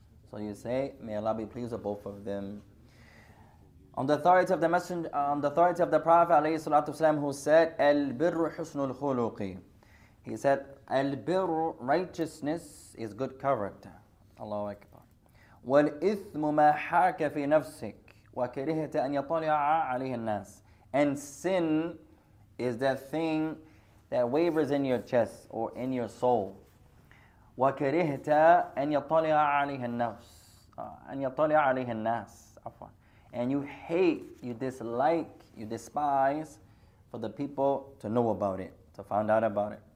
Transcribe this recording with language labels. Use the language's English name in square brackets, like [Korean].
[English] So you say, may Allah be pleased with both of them. On the authority of the Messenger, on the authority of the Prophet alayhi salatu wasalam, who said, Al birru husnul khuluqi. He said, البر, righteousness, is good character. Allahu Akbar. [Arabic] والإثم ما حاك في نفسك وكرهت أن يطلع عليه الناس. And sin [English] is that thing that wavers in your chest or in your soul. وَكَرِهْتَ أَنْ يَطَلِعَ عَلَيْهَ النَّاسِ And you hate, you dislike, you despise for the people to know about it, to find out about it.